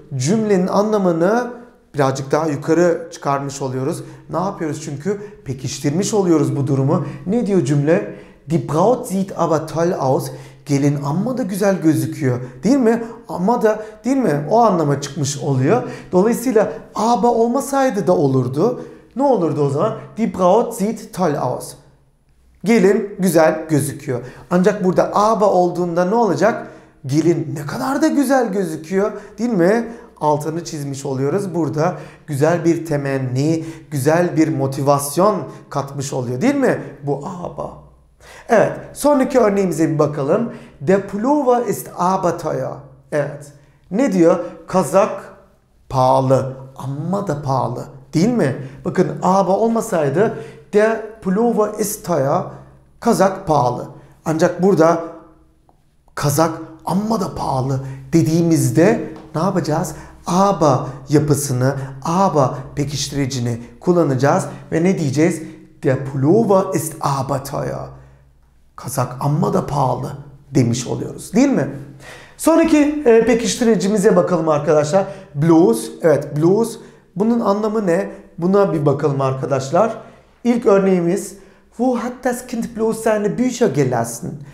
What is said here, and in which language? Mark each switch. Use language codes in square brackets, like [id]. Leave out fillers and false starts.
[tr] Cümlenin anlamını birazcık daha yukarı çıkarmış oluyoruz. Ne yapıyoruz çünkü? Pekiştirmiş oluyoruz bu durumu. Ne diyor cümle? [de] Die Braut sieht aber toll aus. [tr] Gelin amma da güzel gözüküyor. Değil mi? Amma da değil mi? O anlama çıkmış oluyor. Dolayısıyla aber olmasaydı da olurdu. Ne olurdu o zaman? [de] Die Braut sieht toll aus. [tr] Gelin güzel gözüküyor. Ancak burada aber olduğunda ne olacak? Gelin ne kadar da güzel gözüküyor değil mi? Altını çizmiş oluyoruz burada. Güzel bir temenni, güzel bir motivasyon katmış oluyor değil mi? Bu aber. Evet, sonraki örneğimize bir bakalım. [de] Der Pullover ist aber teuer. [tr] Evet, ne diyor? Kazak pahalı ama da pahalı değil mi? Bakın aber olmasaydı [de] der Pullover ist teuer. [tr] Kazak pahalı. Ancak burada kazak amma da pahalı dediğimizde ne yapacağız? Aber yapısını, aber pekiştiricini kullanacağız ve ne diyeceğiz? [de] Der Pullover ist aber teuer. [tr] Kazak amma da pahalı demiş oluyoruz değil mi? Sonraki pekiştiricimize bakalım arkadaşlar. Blues, evet blues. Bunun anlamı ne? Buna bir bakalım arkadaşlar. İlk örneğimiz [de] Wo hat das Kind blues seine Bücher gelassen?